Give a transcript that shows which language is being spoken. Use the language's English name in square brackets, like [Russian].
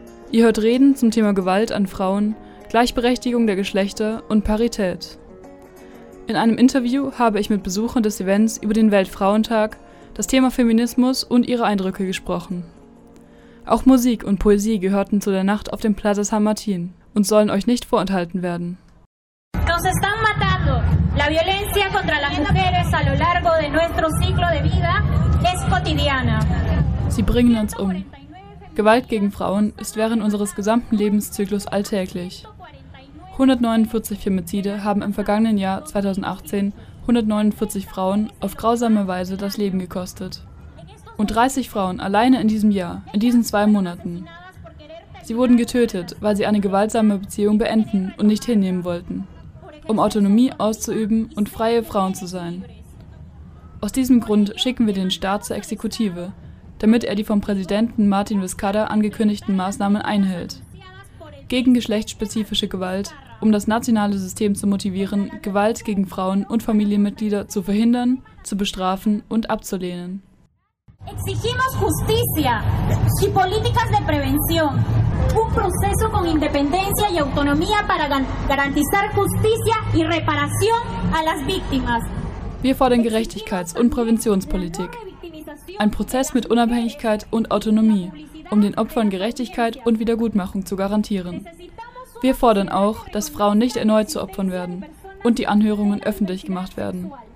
[German] Ihr hört Reden zum Thema Gewalt an Frauen, Gleichberechtigung der Geschlechter und Parität. In einem Interview habe ich mit Besuchern des Events über den Weltfrauentag, das Thema Feminismus und ihre Eindrücke gesprochen. Auch Musik und Poesie gehörten zu der Nacht auf dem Plaza San Martín und sollen euch nicht vorenthalten werden. [Spanish] Nos están matando. La violencia contra las mujeres a lo largo de nuestro ciclo de vida es cotidiana. [German] Sie bringen uns um. Gewalt gegen Frauen ist während unseres gesamten Lebenszyklus alltäglich. 149 Femizide haben im vergangenen Jahr 2018 149 Frauen auf grausame Weise das Leben gekostet. Und 30 Frauen alleine in diesem Jahr, in diesen zwei Monaten. Sie wurden getötet, weil sie eine gewaltsame Beziehung beenden und nicht hinnehmen wollten, um Autonomie auszuüben und freie Frauen zu sein. Aus diesem Grund schicken wir den Staat zur Exekutive, damit er die vom Präsidenten Martin Vizcarra angekündigten Maßnahmen einhält. Gegen geschlechtsspezifische Gewalt, um das nationale System zu motivieren, Gewalt gegen Frauen und Familienmitglieder zu verhindern, zu bestrafen und abzulehnen. [Spanish] Exigimos justicia y políticas de prevención, un proceso con independencia y autonomía para garantizar justicia y reparación a las víctimas. [German] Wir fordern Gerechtigkeits- und Präventionspolitik. Ein Prozess mit Unabhängigkeit und Autonomie, um den Opfern Gerechtigkeit und Wiedergutmachung zu garantieren. Wir fordern auch, dass Frauen nicht erneut zu Opfern werden und die Anhörungen öffentlich gemacht werden.